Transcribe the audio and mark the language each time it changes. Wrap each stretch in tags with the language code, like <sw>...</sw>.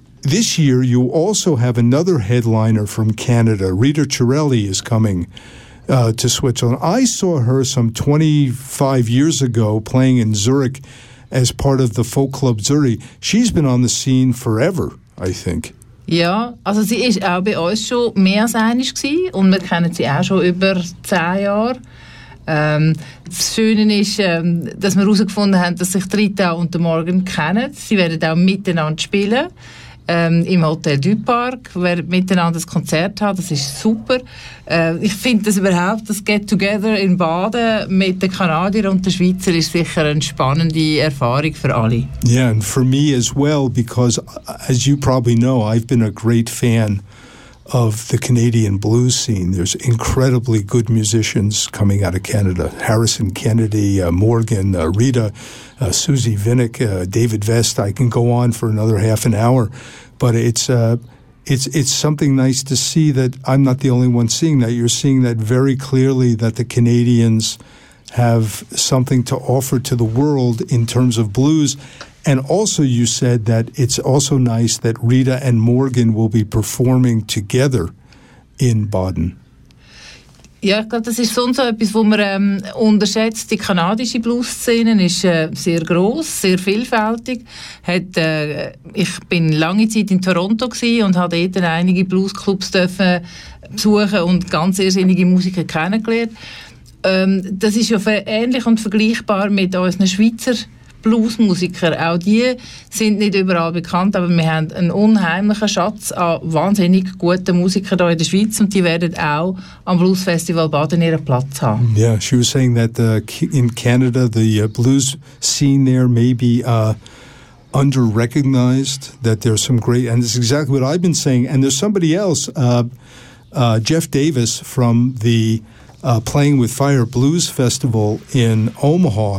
<en>This year, you also have another headliner from Canada. Rita Chiarelli is coming to Switzerland. I saw her some 25 years ago playing in Zurich as part of the Folk Club Zurich. She's been on the scene forever, I think.</en> <de>Ja, also sie ist auch bei uns schon mehr als einig gewesen und wir kennen sie auch schon über 10 Jahre. Das Schöne ist, dass wir herausgefunden haben, dass sich Rita und Morgan kennen. Sie werden auch miteinander spielen. Im Hotel Du Parc, wer miteinander ein Konzert hat, das ist super. Ich finde das überhaupt, das Get-Together in Baden mit den Kanadiern und den Schweizern ist sicher eine spannende Erfahrung für alle.</de> <en>Yeah, and for me as well, because as you probably know, I've been a great fan of the Canadian blues scene. There's incredibly good musicians coming out of Canada. Harrison Kennedy, Morgan, Rita, Susie Vinnick, David Vest. I can go on for another half an hour, but it's something nice to see that I'm not the only one seeing that. You're seeing that very clearly, that the Canadians have something to offer to the world in terms of blues. And also you said that it's also nice that Rita and Morgan will be performing together in Baden.</en> <de>Ja, ich glaube, das ist sonst etwas, wo man unterschätzt. Die kanadische Blues-Szene ist sehr gross, sehr vielfältig. Ich bin lange Zeit in Toronto und habe dort einige Blues-Clubs besuchen und ganz irrsinnige Musiker kennengelernt. Das ist ja ähnlich und vergleichbar mit unseren Schweizer Bluesmusiker, auch die sind nicht überall bekannt, aber wir haben einen unheimlichen Schatz an wahnsinnig guten Musikern hier in der Schweiz und die werden auch am Bluesfestival Baden ihren Platz haben.</de> <en>Yeah, she was saying that in Canada the blues scene there may be under-recognized, that there's some great, and it's exactly what I've been saying, and there's somebody else, Jeff Davis from the Playing with Fire Blues Festival in Omaha.</en>